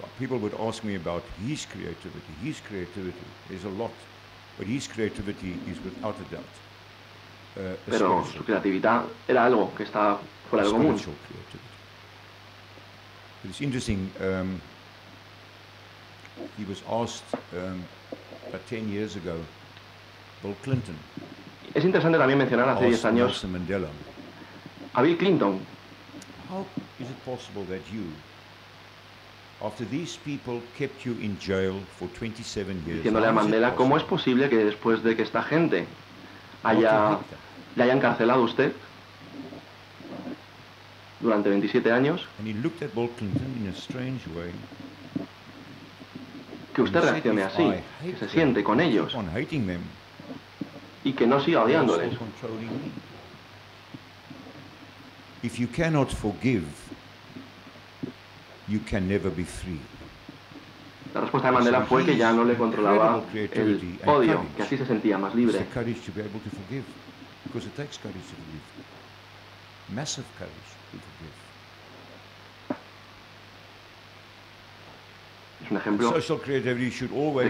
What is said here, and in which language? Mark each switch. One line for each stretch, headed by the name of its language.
English: People would ask me about his creativity. His creativity is a lot, but his creativity is without a doubt.
Spanish: Pero su creatividad era algo que estaba fuera de común.
English: It's interesting. He was asked about 10 years ago. Bill Clinton.
Spanish: Es interesante también mencionar hace 10 años Mandela, a Bill Clinton.
English: How is it possible that you, after these people kept you in jail for 27 years,
Spanish: diciéndole a Mandela, ¿cómo es posible que después de que esta gente haya le haya encarcelado usted durante 27 años?
English: And he looked at Bill Clinton in a strange way.
Spanish: Que usted reaccione así, que se siente con ellos y que no siga odiándoles.
English: If you cannot forgive, you can never be free.
Spanish: La respuesta de Mandela fue que ya no le controlaba el odio, que así se sentía más libre.
English: The courage to be able to forgive, because it takes courage to forgive, massive courage to forgive.
Spanish: Es un ejemplo.
English: Social creativity should always